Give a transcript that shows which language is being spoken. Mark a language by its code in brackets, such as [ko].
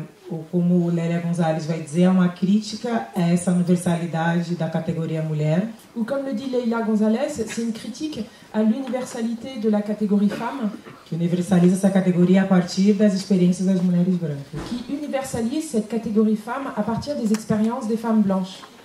[pt] Ou como Lélia Gonzalez vai dizer, é uma crítica a essa universalidade da categoria mulher. [fr] Ou como le dit Leila Gonzalez, c'est une critique à l'universalité de la catégorie femme. [pt] Que universaliza essa categoria a partir das experiências das mulheres brancas. [fr] Qui universalise cette catégorie femme à partir des expériences des femmes blanches.